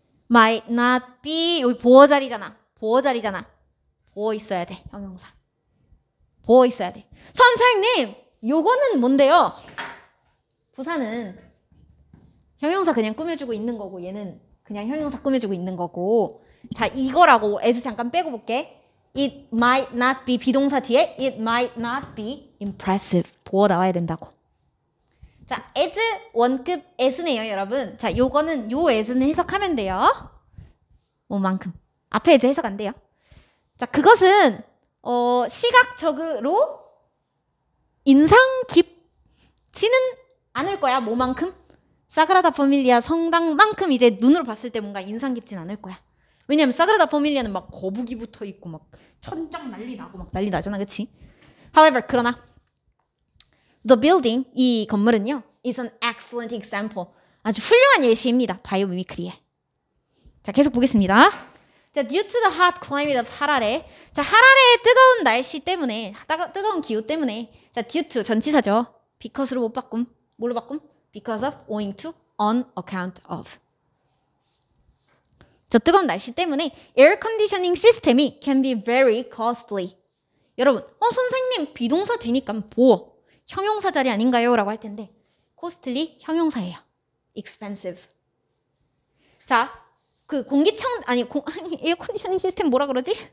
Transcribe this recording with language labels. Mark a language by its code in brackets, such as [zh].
[en] Might not be. [ko] 여기 보어자리잖아. 보어자리잖아. 보어 있어야 돼. 형용사. 보어 있어야 돼. 선생님! 요거는 뭔데요? 부사는 형용사 그냥 꾸며주고 있는 거고 얘는 그냥 형용사 꾸며주고 있는 거고 자 이거라고 as 잠깐 빼고 볼게. [en] It might not be. [ko] 비동사 뒤에 [en] It might not be impressive. [ko] 보어 나와야 된다고. 자, as 원급 as네요, 여러분. 자, 요거는 요 as는 해석하면 돼요. 뭐만큼. 앞에 as 해석 안 돼요. 자, 그것은 시각적으로 인상 깊지는 않을 거야. 뭐만큼? 사그라다 포밀리아 성당만큼 이제 눈으로 봤을 때 뭔가 인상 깊진 않을 거야. 왜냐면 사그라다 포밀리아는 막 거북이 붙어 있고 막 천장 난리 나고 막 난리 나잖아, 그치? However, 그러나 The building, 이 건물은요 [en] is an excellent example. [ko] 아주 훌륭한 예시입니다. 바이오미미크리에. 자, 계속 보겠습니다. 자, [en] due to the hot climate of Harare. [ko] 자, Harare의 뜨거운 날씨 때문에 뜨거운 기후 때문에 자, due to, 전치사죠. Because로 못 바꿈. 뭘로 바꿈? [en] Because of, owing to, on account of. [ko] 저 뜨거운 날씨 때문에 air conditioning 시스템이 [en] can be very costly. [ko] 여러분, 선생님 비동사 뒤니까 뭐 형용사 자리 아닌가요? 라고 할 텐데 costly 형용사예요. [en] expensive. [ko] 자, 그 공기청 아니, 아니 에어 컨디셔닝 시스템 뭐라 그러지?